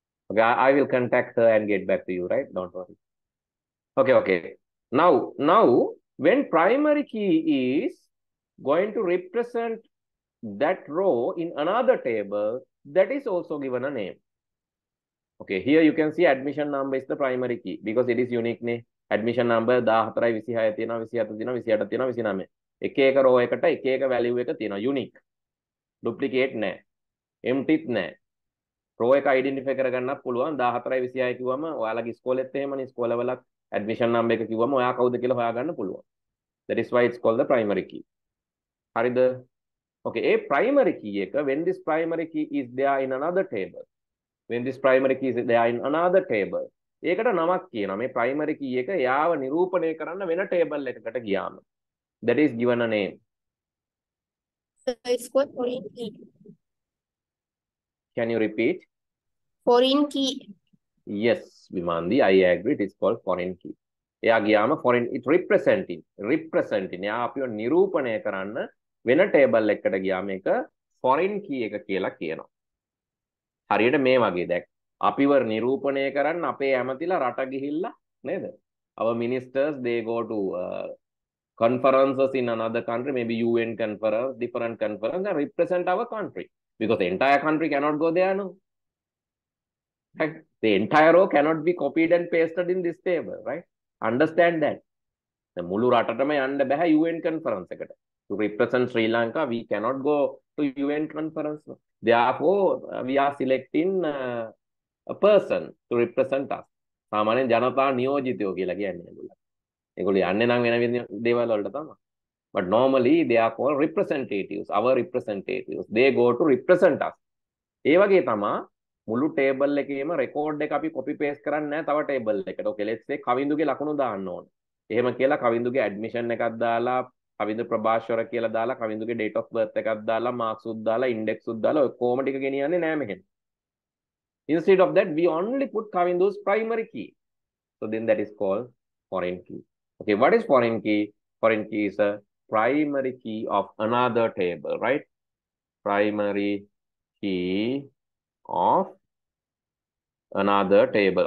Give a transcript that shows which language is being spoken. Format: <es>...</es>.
<en>Okay, I will contact her and get back to you, right? Don't worry. Okay, okay. Now, when primary key is going to represent that row in another table, that is also given a name. Okay, here you can see admission number is the primary key because it is unique name.</en> <si>Admission number 14 26 තියෙනවා 27 තියෙනවා 28 තියෙනවා 29 එක එක row එකට එක එක value එක තියෙනවා unique duplicate නෑ empty නෑ row එක identify කරගන්නත් පුළුවන් 14 26 කිව්වම ඔයාලගේ ස්කෝලෙත් එහෙමනේ ස්කෝල වලත් admission number එක කිව්වම ඔයා කවුද කියලා හොයාගන්න පුළුවන්</si> <en>that is why it's called the primary key</en> <si>හරිද</si> <en>okay a primary key</en> <si>එක</si> <en>when this primary key is there in another table</en> <si>when this primary key is there in another table ඒකට නමක් කියනවා මේ ප්‍රයිමරි කී එක යාව නිරූපණය කරන්න වෙන ටේබල් එකකට ගියාම</si> <en>that is given a name it's called foreign key can you repeat foreign key yes Vimandi I agree it is called foreign key</en> <si>එයා ගියාම foreign it representing යා අපිව නිරූපණය කරන්න වෙන ටේබල් එකකට ගියාම ඒක foreign key එක කියලා කියනවා හරියට මේ වගේ දැක් අපිව නිරූපණය කරන්න අපේ ඇමතිලා රට ගිහිල්ලා නේද?</si> <en>Our ministers they go to conferences in another country maybe UN conference different conference and represent our country because the entire country cannot go there no. Right? The entire row cannot be copied and pasted in this table, right? Understand that. The</en> <si>මුළු රටටම යන්න බෑ</si> <en>UN conference එකට. To represent Sri Lanka we cannot go to UN conference. Therefore we are selecting a person to represent us.</en> <si>සාමාන්‍යයෙන් ජනතා නියෝජිතයෝ කියලා කියන්නේ ඒගොල්ලෝ. ඒගොල්ලෝ යන්නේ නම් වෙන වෙන දේවල් වලට තමයි.</si> <en>But normally they are called representatives, our representatives. They go to represent us.</en> <si>ඒ වගේ තමයි මුළු ටේබල් එකේම රෙකෝඩ් එක අපි කොපි පේස්ට් කරන්නේ නැහැ තව ටේබල් එකට. Okay, let's say කවිඳුගේ ලකුණු දාන්න ඕන. එහෙම කියලා කවිඳුගේ ඇඩ්මිෂන් එකක් දාලා කවිඳු ප්‍රභාෂවර කියලා දාලා කවිඳුගේ date of birth එකක් දාලා මාක්ස් උත් දාලා ඉන්ඩෙක්ස් උත් දාලා ඔය කොහොමද ටික ගෙනියන්නේ නැහැ මෙහෙම.</si> <en>Instead of that, we only put Kavindu's primary key. So then that is called foreign key. Okay, what is foreign key? Foreign key is a primary key of another table, right? Primary key of another table.</en>